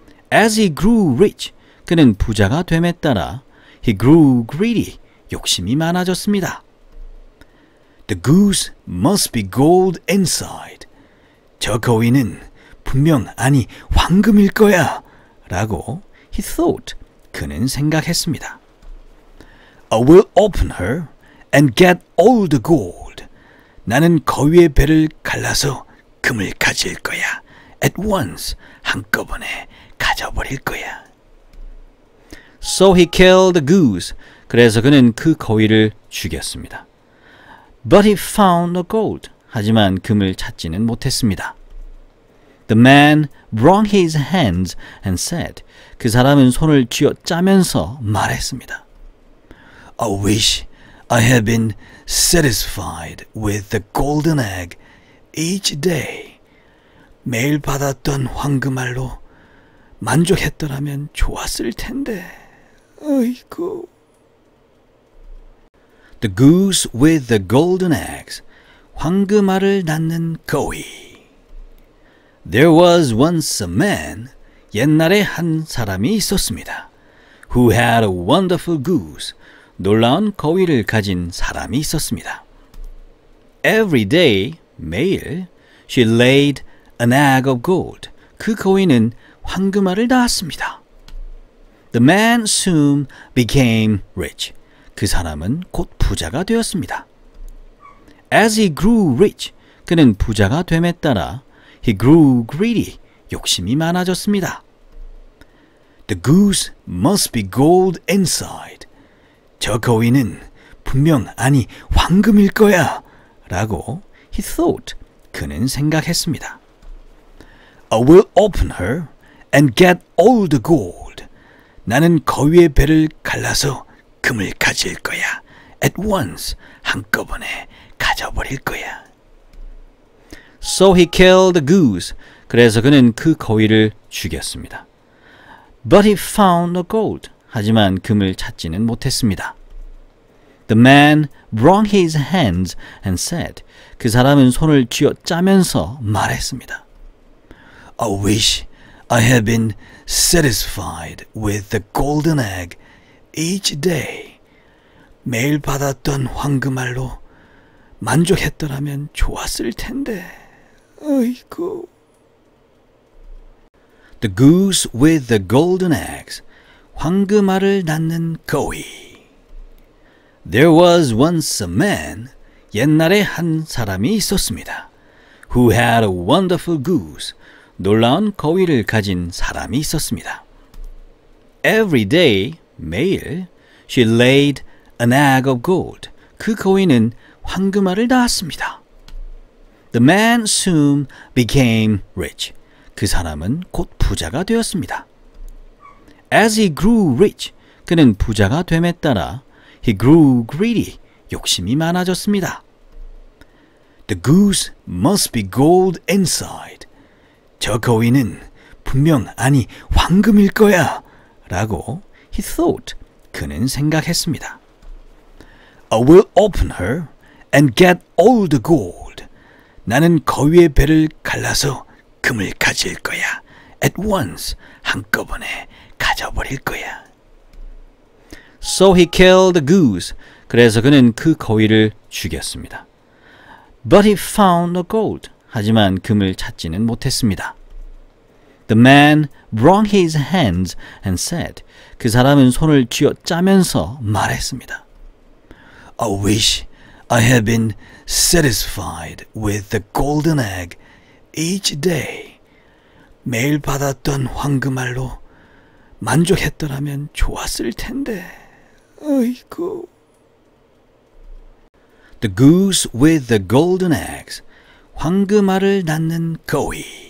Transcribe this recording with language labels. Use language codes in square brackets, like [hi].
[en] As he grew rich, [ko] 그는 부자가 됨에 따라 [en] he grew greedy, [ko] 욕심이 많아졌습니다. [en] The goose must be gold inside. [ko] 저 거위는 분명 아니 황금일 거야. 라고 [en] he thought. [ko] 그는 생각했습니다. [en] I will open her and get all the gold. [ko] 나는 거위의 배를 갈라서 금을 가질 거야. [en] At once. [ko] 한꺼번에 가져버릴 거야. [en] So he killed the goose. [ko] 그래서 그는 그 거위를 죽였습니다. [en] But he found the gold. [ko] 하지만 금을 찾지는 못했습니다. [en] The man wrung his hands and said, [ko] 그 사람은 손을 쥐어짜면서 말했습니다. [en] I wish I had been satisfied with the golden egg each day. [ko] 매일 받았던 황금 알로 만족했더라면 좋았을 텐데. 아이고. [en] The goose with the golden eggs. [ko] 황금 알을 낳는 거위. [en] There was once a man, [ko] 옛날에 한 사람이 있었습니다. [en] Who had a wonderful goose, [ko] 놀라운 거위를 가진 사람이 있었습니다. [en] Every day, [ko] 매일, [en] she laid an egg of gold. [ko] 그 거위는 황금 알을 낳았습니다. [en] The man soon became rich. [ko] 그 사람은 곧 부자가 되었습니다. [en] As he grew rich, [ko] 그는 부자가 됨에 따라 [en] He grew greedy. [ko] 욕심이 많아졌습니다. [en] The goose must be gold inside. [ko] 저 거위는 분명 아니 황금일 거야. 라고 [en] he thought. [ko] 그는 생각했습니다. [en] I will open her and get all the gold. [ko] 나는 거위의 배를 갈라서 금을 가질 거야. [en] At once. [ko] 한꺼번에 가져버릴 거야. [en] So he killed the goose. [ko] 그래서 그는 그 거위를 죽였습니다. [en] But he found the gold. [ko] 하지만 금을 찾지는 못했습니다. [en] The man wrung his hands and said, [ko] 그 사람은 손을 쥐어짜면서 말했습니다. [en] I wish I had been satisfied with the golden egg each day. [ko] 매일 받았던 황금 알로 만족했더라면 좋았을 텐데. 아이고. [en] The goose with the golden eggs. [ko] 황금 알을 낳는 거위. [en] There was once a man. [ko] 옛날에 한 사람이 있었습니다. [en] Who had a wonderful goose. [ko] 놀라운 거위를 가진 사람이 있었습니다. [en] Every day, [ko] 매일, [en] she laid an egg of gold. [ko] 그 거위는 황금 알을 낳았습니다. [en] The man soon became rich. [ko] 그 사람은 곧 부자가 되었습니다. [en] As he grew rich, [ko] 그는 부자가 됨에 따라 [en] he grew greedy, [ko] 욕심이 많아졌습니다. [en] The goose must be gold inside. [ko] 저 거위는 분명 아니 황금일 거야. 라고 [en] he thought. [ko] 그는 생각했습니다. [en] I will open her and get all the gold. [ko] 나는 거위의 배를 갈라서 금을 가질 거야. [en] At once, [ko] 한꺼번에 가져버릴 거야. [en] So he killed the goose. [ko] 그래서 그는 그 거위를 죽였습니다. [en] But he found the gold. [ko] 하지만 금을 찾지는 못했습니다. [en] The man wrung his hands and said, [ko] 그 사람은 손을 쥐어짜면서 말했습니다. [en] I wish I had been satisfied with the golden egg each day. [ko] 매일 받았던 황금 알로 만족했더라면 좋았을 텐데. 아이고. [en] The goose with the golden eggs. [ko] 황금 알을 낳는 거위.